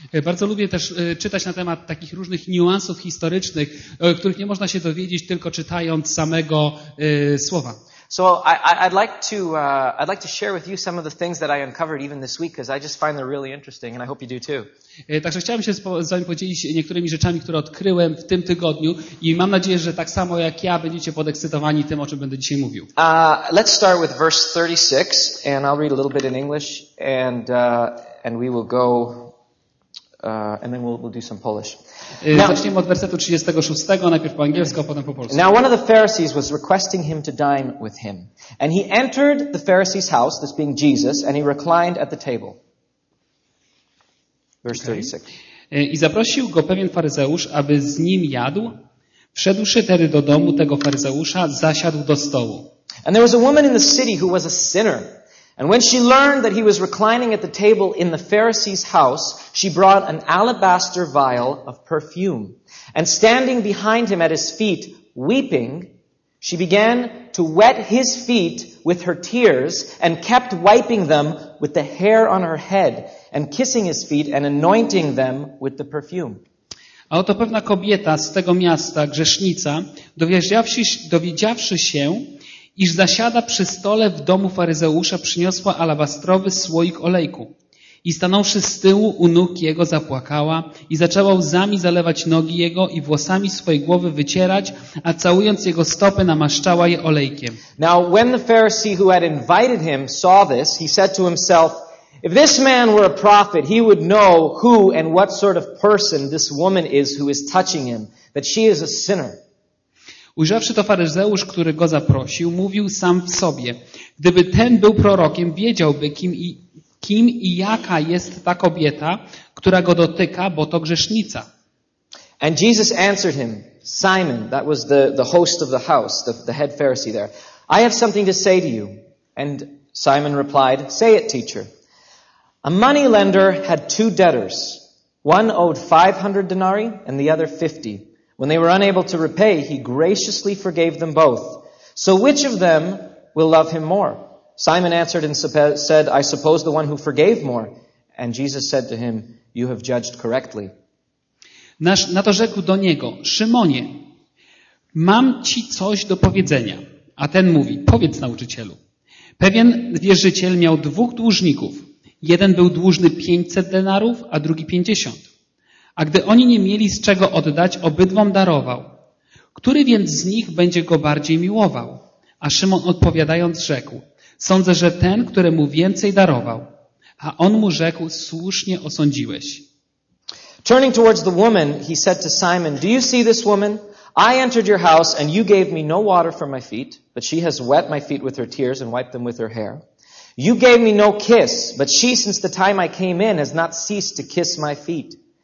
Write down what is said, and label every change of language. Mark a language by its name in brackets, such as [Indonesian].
[Polish] Bardzo lubię też czytać na temat takich różnych niuansów historycznych, których nie można się dowiedzieć tylko czytając samego słowa. [English] So I'd like to share with you some of the things that I uncovered even this week, because I just find them really interesting, and I hope you do too. [Polish] Także chciałem się z wami podzielić niektórymi rzeczami, które odkryłem w tym tygodniu, i mam nadzieję, że tak samo jak ja będziecie podekscytowani tym, o czym będę dzisiaj mówił. [English] Let's start with verse 36, and I'll read a little bit in English, and we will go, and then we'll do some Polish. [Polish] Zaczniemy od wersetu 36, najpierw po angielsku, a potem po polsku. [English] Now one of the Pharisees was requesting him to dine with him. And he entered the Pharisee's house, this being Jesus, and he reclined at the table. Verse 36. [Polish] I zaprosił go pewien faryzeusz, aby z nim jadł. Wszedłszy tedy do domu tego faryzeusza, zasiadł do stołu. [English] And there was a woman in the city who was a sinner. And when she learned that he was reclining at the table in the Pharisee's house, she brought an alabaster vial of perfume. And standing behind him at his feet, weeping, she began to wet his feet with her tears and kept wiping them with the hair on her head and kissing his feet and anointing them with the perfume. [Polish] A oto pewna kobieta z tego miasta, grzesznica, dowiedziawszy się, iż zasiada przy stole w domu faryzeusza, przyniosła alabastrowy słoik olejku. I stanąwszy z tyłu u nóg jego, zapłakała i zaczęła łzami zalewać nogi jego i włosami swojej głowy wycierać, a całując jego stopy, namaszczała je olejkiem. [English] Now, when the Pharisee who had invited him saw this, he said to himself, if this man were a prophet, he would know who and what sort of person this woman is who is touching him, that she is a sinner. [Polish] Ujrzawszy to faryzeusz, który go zaprosił, mówił sam w sobie, gdyby ten był prorokiem, wiedziałby, kim i jaka jest ta kobieta, która go dotyka, bo to grzesznica. [English] And Jesus answered him, Simon, that was the host of the house, the head Pharisee there, I have something to say to you. And Simon replied, say it, teacher. A money lender had 2 debtors. One owed 500 denarii and the other 50. When they were unable to repay, he graciously forgave them both. So which of them will love him more? Simon answered and said, I suppose the one who forgave more. And Jesus said to him, you have judged correctly. [Polish] Na to rzekł do niego, Szymonie, mam ci coś do powiedzenia. A ten mówi, powiedz nauczycielu. Pewien wierzyciel miał dwóch dłużników. Jeden był dłużny 500 denarów, a drugi 50. A gdy oni nie mieli z czego oddać, obydwom darował. Który więc z nich będzie go bardziej miłował? A Szymon odpowiadając rzekł, sądzę, że ten, któremu więcej darował. A on mu rzekł, słusznie osądziłeś. [English] Turning towards the woman, he said to Simon, do you see this woman? I entered your house and you gave me no water for my feet, but she has wet my feet with her tears and wiped them with her hair. You gave me no kiss, but she, since the time I came in, has not ceased to kiss my feet.